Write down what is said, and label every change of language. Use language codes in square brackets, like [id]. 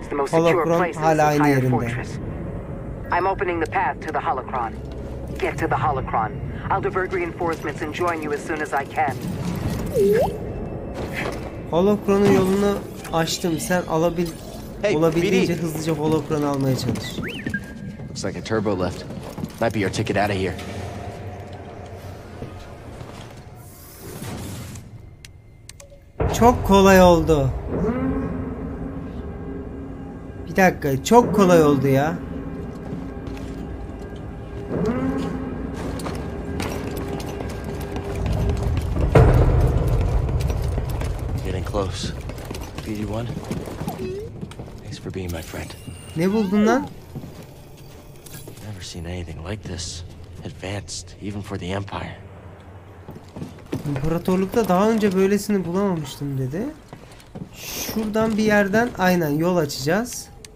[tr] Holocron hala aynı yerinde. [en] I'm opening the path to the Holocron. Get to the Holocron. I'll divert reinforcements and join you as soon as I can. [tr] Holocron'un yolunu açtım. Sen olabildiğince hızlıca Holocron'u almaya çalış. [en] Looks like a turbo lift. Might be your ticket out of here. [tr] Çok kolay oldu. Bir dakika, çok kolay oldu ya. [en] Getting close. BD1. Thanks for being my friend. [tr] Ne buldun lan? [en] Never seen anything like this. Advanced, even for the Empire. [tr] İmparatorlukta daha önce böylesini bulamamıştım dedi. Şuradan bir yerden aynen yol açacağız.